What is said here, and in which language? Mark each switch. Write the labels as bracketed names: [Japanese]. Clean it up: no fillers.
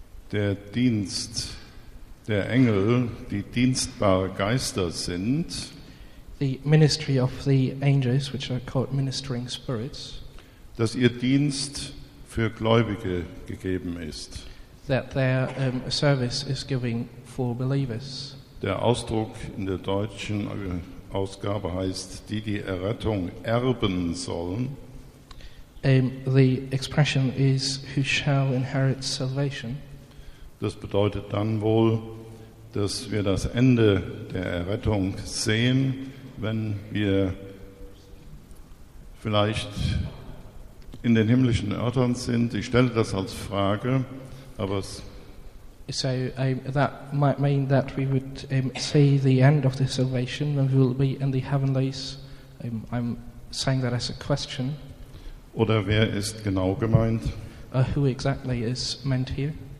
[German] der Dienst der Engel die dienstbare Geister sind, [English] the ministry of the angels, which are called ministering spirits, [German] dass ihr Dienst für Gläubige gegeben ist. [English] That their service is giving for believers. [German] Der Ausdruck in der deutschen Ausgabe heißt, die Errettung erben sollen. [English] The expression is, who shall inherit salvation. [German] Das bedeutet dann wohl, dass wir das Ende der Errettung sehen, wenn wir vielleicht in den himmlischen Örtern sind. Ich stelle das als Frage. [English] So that might mean that we would see the end of the salvation and we will be in the heavenlies. I'm saying that as a question. [German] Oder wer ist genau gemeint? [English] Who exactly is meant here?